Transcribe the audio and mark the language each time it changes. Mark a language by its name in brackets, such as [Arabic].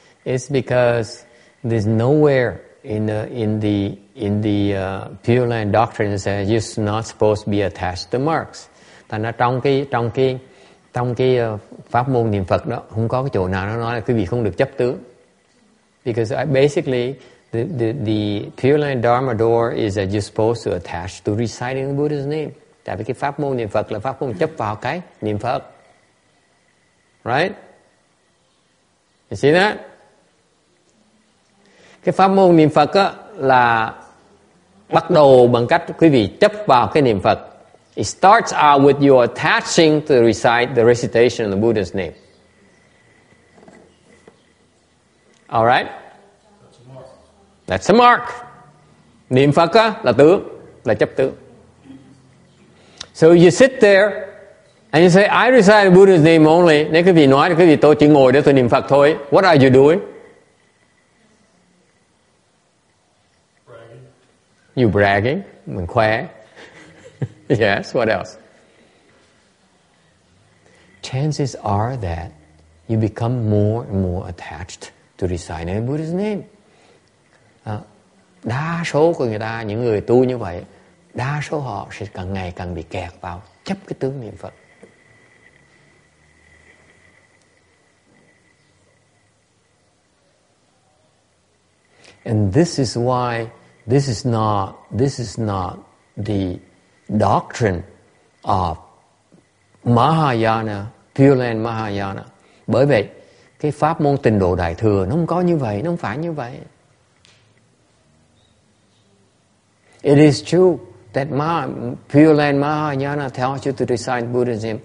[English] It's because there's nowhere in the Pure Land doctrine that says you're not supposed to be attached to marks. [Vietnamese] Tại nó trong cái pháp môn niệm Phật đó không có cái chỗ nào nó nói là quý vị không được chấp tướng. [English] Because basically the Pure Land Dharma door is that you're supposed to attach to reciting the Buddha's name. [Vietnamese] Tại vì cái pháp môn niệm Phật là pháp môn chấp vào cái niệm Phật. [English] Right? You see that? [Vietnamese] Cái pháp môn niệm Phật á là bắt đầu bằng cách quý vị chấp vào cái niệm Phật. [English] It starts out with your attaching to recite the recitation of the Buddha's name. All right? That's a mark. [Vietnamese] Niệm Phật á là tướng, là chấp tướng. [English] So you sit there and you say, I recite the Buddha's name only. [Vietnamese] Nếu quý vị nói, quý vị tôi chỉ ngồi để tôi niệm Phật thôi. [English] What are you doing? Bragging. You bragging? [Vietnamese] Mình khoe. [English] Yes, what else? Chances are that you become more and more attached to reciting the Buddha's name. [Vietnamese] Đa số của người ta, những người tu như vậy, đa số họ sẽ càng ngày càng bị kẹt vào chấp cái tướng niệm Phật. [English] And this is why this is not the doctrine of Mahayana, Pure Land Mahayana. [Vietnamese] Bởi vậy, cái pháp môn tịnh độ đại thừa nó không có như vậy, nó không phải như vậy. [English] It is true that Pure Land Mahayana tells you to recite Buddha's name.